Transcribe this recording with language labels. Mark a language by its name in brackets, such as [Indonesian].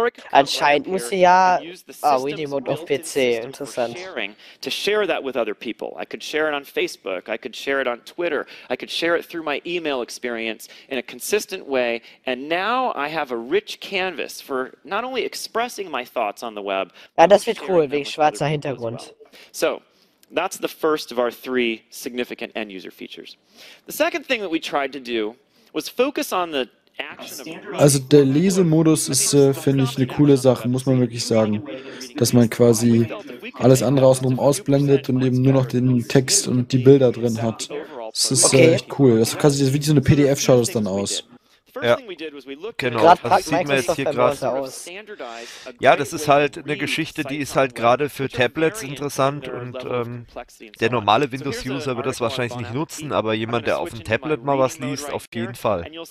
[German] Anscheinend muss sie ja Windows Mode auf PC, interessant. [English] To share that with other people. I could share it on Facebook, I could share it on Twitter, I could share it through my email experience in a consistent way, and now I have a rich canvas. For not only expressing my thoughts on the web, [German] ja, das wird cool, wegen schwarzer Hintergrund. [English] So, that's the first of our three significant end-user features. The second thing that we tried to do was focus on the action. [German] Also der Lesemodus ist, finde ich, eine coole Sache, muss man wirklich sagen, dass man quasi alles andere außenrum ausblendet und eben nur noch den Text und die Bilder drin hat. Das ist echt cool. Das ist quasi das wie so eine PDF, schaut es dann aus. Ja, genau, das sieht man jetzt hier gerade. Ja, das ist halt eine Geschichte, die ist halt gerade für Tablets interessant und der normale Windows-User wird das wahrscheinlich nicht nutzen, aber jemand, der auf dem Tablet mal was liest, auf jeden Fall.